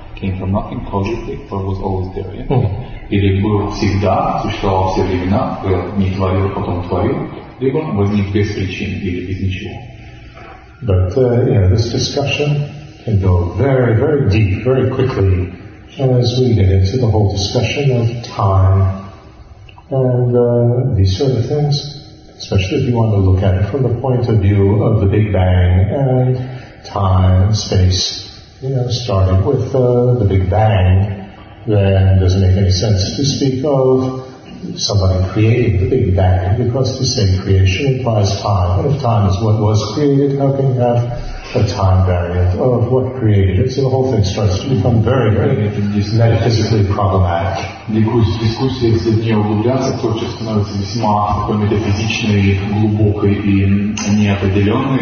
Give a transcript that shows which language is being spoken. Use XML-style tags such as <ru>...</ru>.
<en>Came from nothing causally, but was always there. Yeah?</en> <ru>Или был всегда, существовал все времена, был не творил, потом творил. Либо возник без причин или без ничего.</ru> <en>But this discussion can go very, very deep, very quickly as we get into the whole discussion of time and these sort of things, especially if you want to look at it from the point of view of the Big Bang and time and space. You know, starting with the Big Bang, then does it make any sense to speak of somebody created the Big Bang, because to say creation implies time. And if time is what was created, how can you have a time variant of what created it? So the whole thing starts to become very, very metaphysically problematic.</en> <ru>Дискуссия, если в нее углубляться, то сейчас становится весьма такой метафизичной, глубокой и неопределенной.</ru>